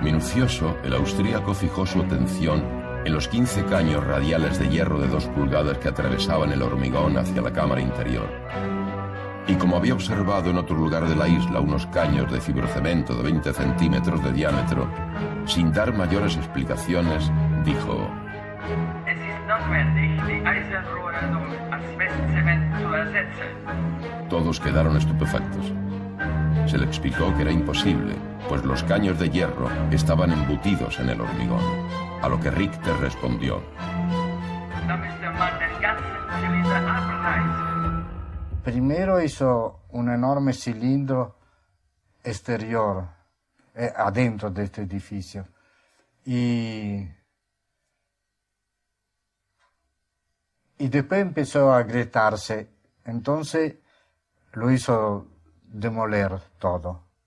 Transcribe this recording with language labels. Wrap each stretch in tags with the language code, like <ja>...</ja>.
<es>Minucioso, el austríaco fijó su atención en los 15 caños radiales de hierro de 2 pulgadas que atravesaban el hormigón hacia la cámara interior. Y como había observado en otro lugar de la isla unos caños de fibrocemento de 20 centímetros de diámetro, sin dar mayores explicaciones, dijo:</es> <de>Es notwendig, die Eisenrohren um Asbestzement zu ersetzen.</de> <es>Todos quedaron estupefactos. Se le explicó que era imposible, pues los caños de hierro estaban embutidos en el hormigón. A lo que Richter respondió:</es> <de>Da müsste man den ganzen Zylinder abreißen.</de> <es>Primero hizo un enorme cilindro exterior, adentro de este edificio, y después empezó a agrietarse, entonces lo hizo demoler todo.</es>